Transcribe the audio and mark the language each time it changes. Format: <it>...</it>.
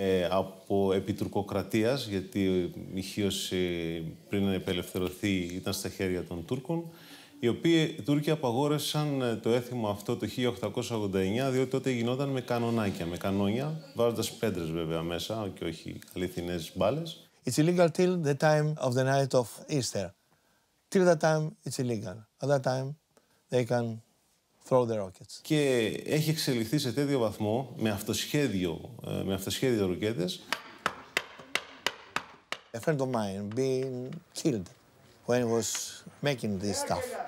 <el>Από επί Τουρκοκρατίας, γιατί η Χίος πριν να επελευθερωθεί ήταν στα χέρια των Τούρκων, οι οποίοι οι Τούρκοι απαγόρευσαν το έθιμο αυτό το 1889, διότι τότε γινόταν με κανονάκια, με κανόνια, βάζοντας πέτρες βέβαια μέσα και όχι αληθινές μπάλες.</el> <en>It's illegal till the time of the night of Easter. Till that time, it's illegal. At that time, they can throw the rockets.</en> <el>Και έχει εξελιχθεί σε τέτοιο βαθμό με αυτοσχέδιο, με αυτοσχέδιο ρουκέτες.</el> <en>A friend of mine being killed when he was making this stuff.</en>